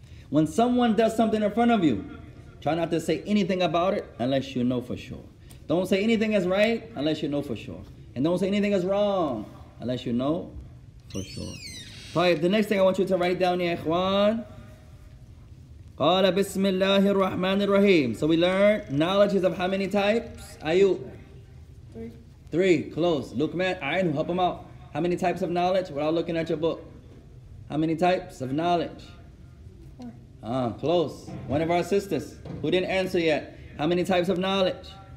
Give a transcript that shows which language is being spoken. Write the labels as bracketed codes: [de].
[en] When someone does something in front of you, try not to say anything about it unless you know for sure. Don't say anything is right unless you know for sure. And don't say anything is wrong unless you know for sure. طيب, the next thing I want you to write down, يا إخوان. [ar] قال بسم الله الرحمن الرحيم. [en] So we learned knowledge is of how many types? Ayu? Three. Close. Luqman, Ainu, help him out. How many types of knowledge without looking at your book? How many types of knowledge? Four. Close. One of our sisters who didn't answer yet. How many types of knowledge?